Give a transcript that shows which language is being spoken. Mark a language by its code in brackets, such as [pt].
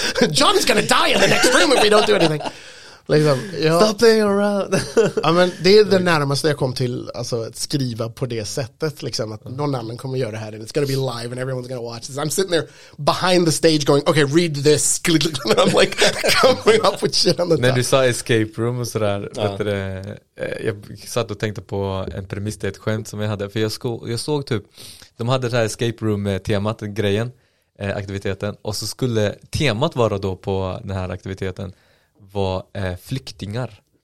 [en] John is gonna die in the next room if we don't do anything. [sv] Liksom, ja. [en] Stop playing around. [sv] Ja, men det är det närmaste jag kom till, alltså, att skriva på det sättet liksom, att någon annan kommer göra det här [en] and it's gonna be live and everyone's gonna watch this. I'm sitting there behind the stage going, okay, read this. And I'm like coming up with shit on the top. [sv] När du sa escape room och sådär, jag satt och tänkte på en premiss, det är ett skämt som jag hade, för jag såg typ de hade det här escape room temat grejen, aktiviteten, och så skulle temat vara då på den här aktiviteten var flyktingar.